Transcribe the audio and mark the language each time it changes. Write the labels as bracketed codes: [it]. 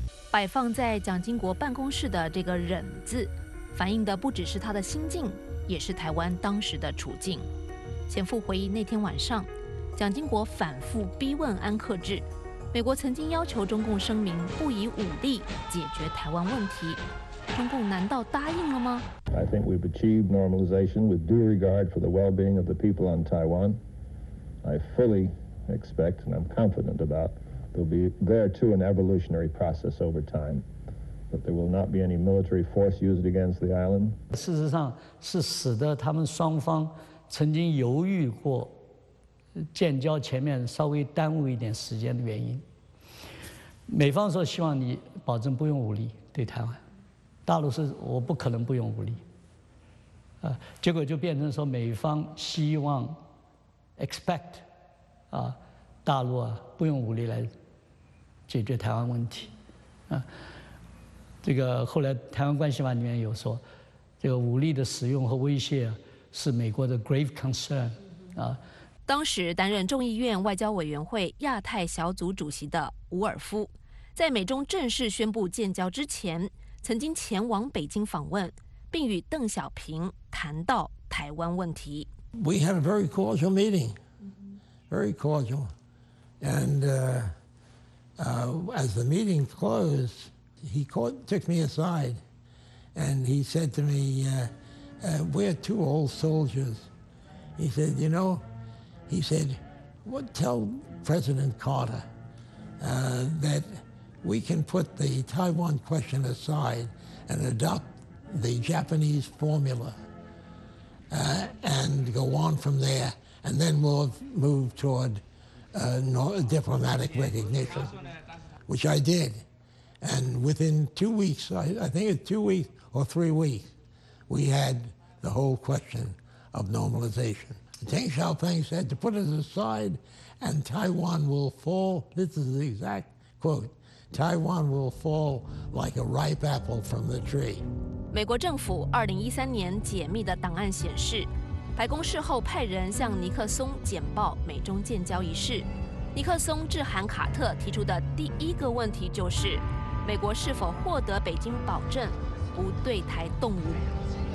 [zh] 摆放在蒋经国办公室的这个忍字，反映的不只是他的心境，也是台湾当时的处境。前夫回忆，那天晚上蒋经国反复逼问安克志，美国曾经要求中共声明不以武力解决台湾问题，中共难道答应了吗？ [en] I think we've achieved normalization with due regard for the well-being of the people on Taiwan. I fully expect and I'm confident about there'll be there too an evolutionary process over time, but there will not be any military force used against the island. [zh] 事实上是使得他们双方曾经犹豫过建交前面稍微耽误一点时间的原因。美方说希望你保证不用武力对台湾，大陆是我不可能不用武力，结果就变成说美方希望 expect 大陆啊不用武力来解决台湾问题，这个后来台湾关系法里面有说，这个武力的使用和威胁是美国的 [en] grave concern [zh] 啊。当时担任众议院外交委员会亚太小组主席的伍尔夫，在美中正式宣布建交之前，曾经前往北京访问，并与邓小平谈到台湾问题。 [en] We had a very cordial meeting, very cordial. And as the meeting closed, he took me aside and he said to me, "We're two old soldiers." He said, "You know,He said, well, tell President Carter that we can put the Taiwan question aside and adopt the Japanese formula and go on from there, and then we'll move toward diplomatic recognition, which I did. And within 2 weeks, I think it was 2 weeks or 3 weeks, we had the whole question of normalization. Deng Xiaoping said to put it aside and Taiwan will fall, this is the exact quote, Taiwan will fall like a ripe apple from the tree. [zh] 美国政府2013年解密的档案显示，白宫事后派人向尼克松简报美中建交一事。尼克松致函卡特提出的第一个问题就是，美国是否获得北京保证不对台动武。